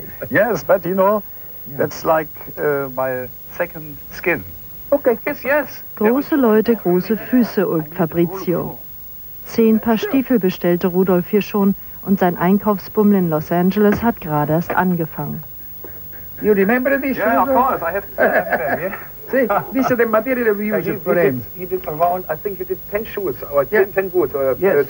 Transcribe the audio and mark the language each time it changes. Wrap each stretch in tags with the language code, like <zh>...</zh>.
<en>Yes, but you know, that's like my second skin.</en> <de>Große Leute, große Füße, ulkt Fabrizio. 10 Paar Stiefel bestellte Rudolf hier schon und sein Einkaufsbummel in Los Angeles hat gerade erst angefangen.</de> <en>You remember these shoes? Yeah, of course, I have seen them, yeah. See, these are the material we use for him. He did around, I think he did 10 shoes, or 10, yeah. 10 boots, or yes.</en>